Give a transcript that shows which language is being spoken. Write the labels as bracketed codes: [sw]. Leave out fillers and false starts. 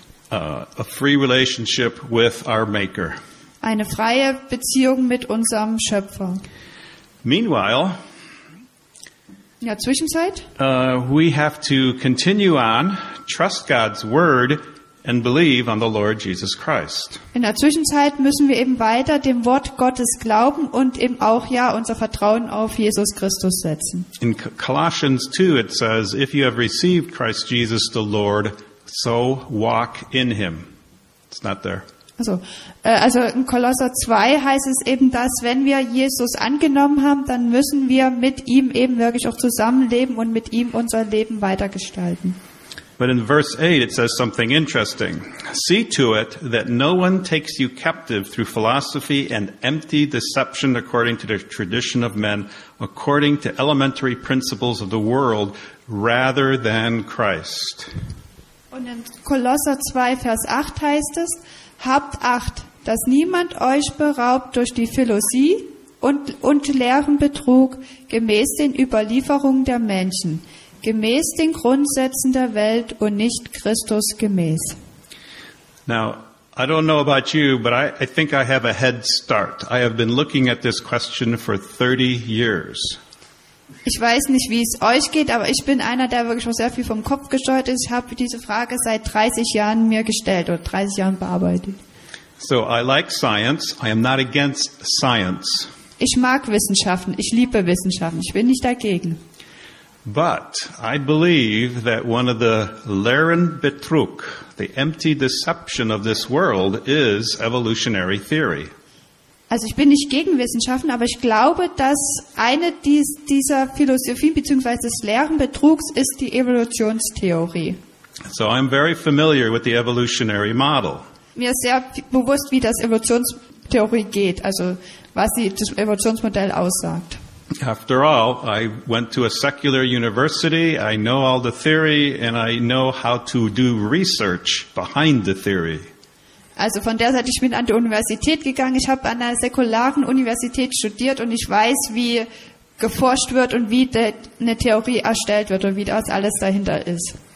[en] A free relationship with our Maker. [de] Eine freie Beziehung mit unserem Schöpfer. [en] Meanwhile, [de] ja, Zwischenzeit. [en] We have to continue on, trust God's word and believe on the Lord Jesus Christ. [de] In der Zwischenzeit müssen wir eben weiter dem Wort Gottes glauben und eben auch ja unser Vertrauen auf Jesus Christus setzen. [en] In Colossians 2 it says, if you have received Christ Jesus the Lord, so walk in him. It's not there. [de] Also in Kolosser 2 heißt es eben, dass wenn wir Jesus angenommen haben, dann müssen wir mit ihm eben wirklich auch zusammenleben und mit ihm unser Leben weitergestalten. [en] But in verse 8 it says something interesting. See to it that no one takes you captive through philosophy and empty deception according to the tradition of men, according to elementary principles of the world, rather than Christ. [de] Und in Kolosser 2 Vers 8 heißt es, habt Acht, dass niemand euch beraubt durch die Philosophie und leeren Betrug gemäß den Überlieferungen der Menschen, gemäß den Grundsätzen der Welt und nicht Christus gemäß. [en] Now, I don't know about you, but I think I have a head start. I have been looking at this question for 30 years. [de] Ich weiß nicht, wie es euch geht, aber ich bin einer, der wirklich schon sehr viel vom Kopf gesteuert ist. Ich habe diese Frage seit 30 Jahren mir gestellt oder 30 Jahren bearbeitet. [en] So, I like science. I am not against science. [de] Ich mag Wissenschaften. Ich liebe Wissenschaften. Ich bin nicht dagegen. [en] But I believe that one of the [de] leeren Betrug, [en] the empty deception of this world, is evolutionary theory. [de] Also ich bin nicht gegen Wissenschaften, aber ich glaube, dass eine dieser Philosophien bzw. des leeren Betrugs ist die Evolutionstheorie. [en] So I'm very familiar with the evolutionary model. [de] Mir ist sehr bewusst, wie das Evolutionstheorie geht, also was das Evolutionsmodell aussagt. [en] After all, I went to a secular university, I know all the theory and I know how to do research behind the theory. [de] Also von der Seite, ich bin an die Universität gegangen, ich habe an einer säkularen Universität studiert und ich weiß, wie geforscht wird und wie eine Theorie erstellt wird und wie das alles dahinter ist.